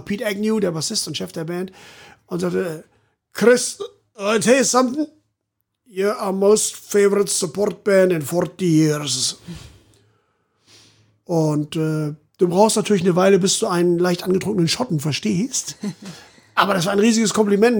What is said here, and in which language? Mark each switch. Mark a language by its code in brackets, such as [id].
[de] Pete Agnew, der Bassist und Chef der Band, und sagte, [en] Chris, I'll tell you something. You're our most favorite support band in 40 years. [de] Und du brauchst natürlich eine Weile, bis du einen leicht angetrunkenen Schotten verstehst. Aber das war ein riesiges Kompliment.